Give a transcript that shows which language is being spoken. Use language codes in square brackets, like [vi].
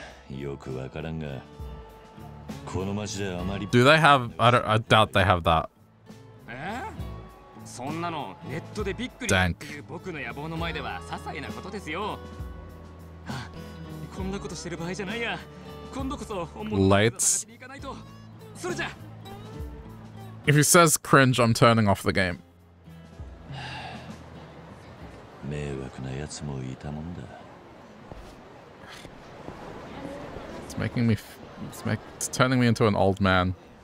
[ja] よくわからんが、この町ではあまり。 [en] Do they have? I doubt they have that. [ja] そんなのネットでびっくり。 [en] Dank. [ja] 僕の野望の前では些細なことですよ。こんなことしてる場合じゃないや。今度こそ本物の戦いに行かないと。それじゃ。 [en] If he says cringe, I'm turning off the game. [ja] 迷惑なやつもいたもんだ。 [en] It's making me, it's turning me into an old man.